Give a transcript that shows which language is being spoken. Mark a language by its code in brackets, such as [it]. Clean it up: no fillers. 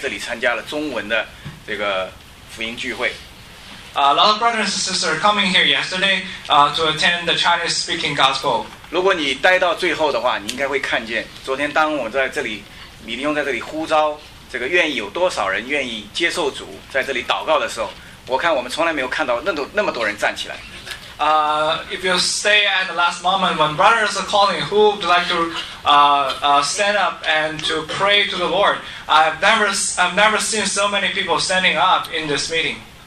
[zh] 那个你有没有看到昨天有很多的这个弟兄姊妹都来这里参加了中文的这个福音聚会？ [en] A lot of brothers and sisters coming here yesterday to attend the Chinese-speaking gospel. [zh] 如果你待到最后的话，你应该会看见昨天当我们在这里，李弟兄在这里呼召。这个愿意有多少人愿意接受主，在这里祷告的时候，我看我们从来没有看到那么多人站起来。 [en] If you stay at the last moment when brothers are calling, who would like to stand up and to pray to the Lord? I've never seen so many people standing up in this meeting.